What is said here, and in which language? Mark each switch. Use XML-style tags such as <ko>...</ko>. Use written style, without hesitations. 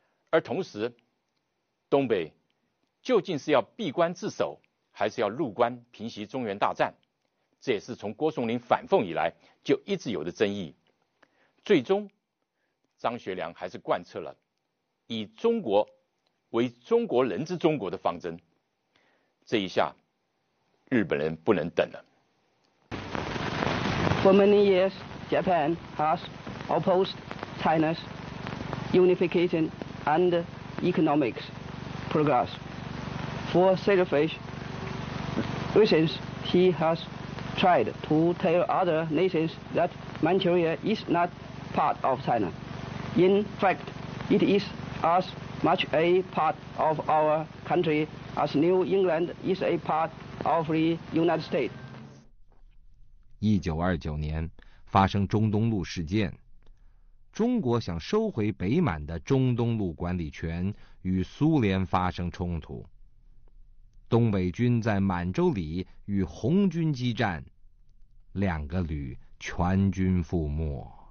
<zh>而同时，东北究竟是要闭关自守，还是要入关平息中原大战，这也是从郭松龄反奉以来就一直有的争议。最终张学良还是贯彻了以中国为中国人之中国的方针，这一下日本人不能等了。</zh> <en>For many years, Japan has opposed China's unification and economic progress. For selfish reasons, he has tried to tell other nations that Manchuria is not part of China. In fact, it is as much a part of our country as New England is a part of the United States.</en> <zh>1929年发生中东路事件，中国想收回北满的中东路管理权，与苏联发生冲突。东北军在满洲里与红军激战，两个旅全军覆没。</zh>